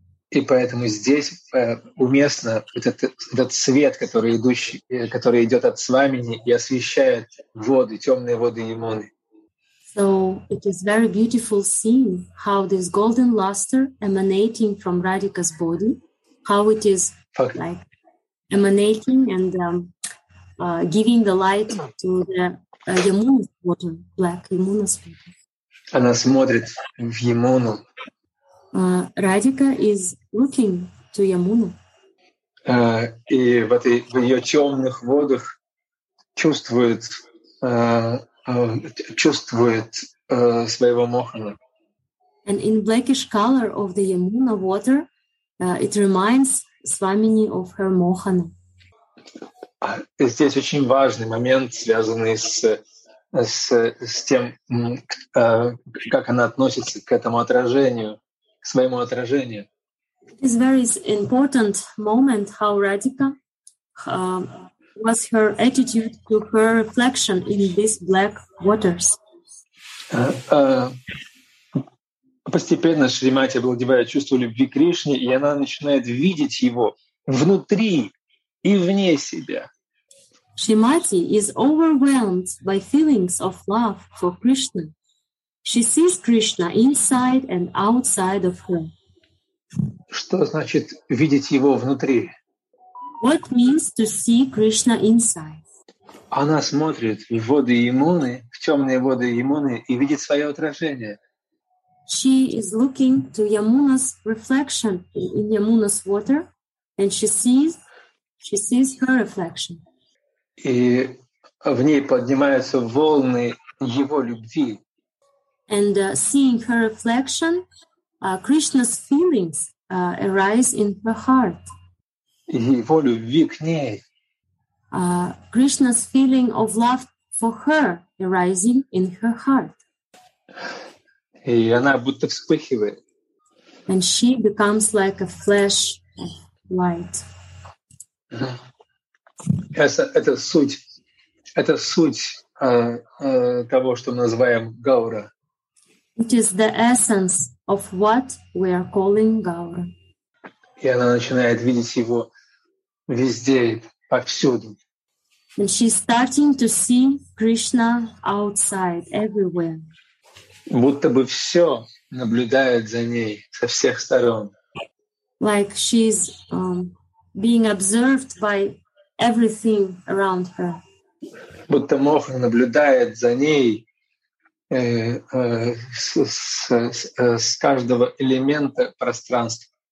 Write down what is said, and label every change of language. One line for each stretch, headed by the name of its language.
Russian: И поэтому здесь уместно этот свет, который идет от свамини и освещает воды, темные воды Ямоны.
English: So it is very beautiful seeing how this golden luster emanating from Radhika's body, how it is like emanating and giving the light to the Yamuna's water, black Yamuna's water.
Russian: Она смотрит в Ямуну.
English: Radhika is looking to Yamuna.
Russian: И в ее темных водах чувствует своего мохана.
English: And in blackish color of the Yamuna water, it reminds Swamini of her mohana.
Russian: Здесь очень важный момент, связанный с тем, как она относится к этому отражению, к своему отражению.
English: It is very important moment how Radhika was her attitude to her reflection in these black waters.
Russian: Постепенно Шримати обладевает чувство любви к Кришне, и она начинает видеть его внутри и вне себя.
English: Шримати is overwhelmed by feelings of love for Krishna. She sees Krishna inside and outside of her.
Russian: Что значит видеть его внутри?
English: What means to see Krishna inside?
Russian: Она смотрит в воды Ямуны, в темные воды Ямуны, и видит свое отражение.
English: She is looking to Yamuna's reflection in Yamuna's water, and she sees her reflection.
Russian: И в ней поднимаются волны его любви.
English: And seeing her reflection, Krishna's feelings arise in her heart.
Russian: Его любви к ней.
English: Krishna's feeling of love for her arising in her heart.
Russian: И она будто вспыхивает.
English: And she becomes like a flash of light.
Russian: Это суть того, что мы называем Гаура.
English: It is the essence of what we are calling Gaura.
Russian: И она начинает видеть его везде, повсюду.
English: And she's starting to see Krishna outside, everywhere.
Russian: Будто бы все наблюдает за ней со всех сторон.
English: Like she's being observed by everything around her.
Russian: Будто мохан наблюдает за ней с каждого элемента пространства.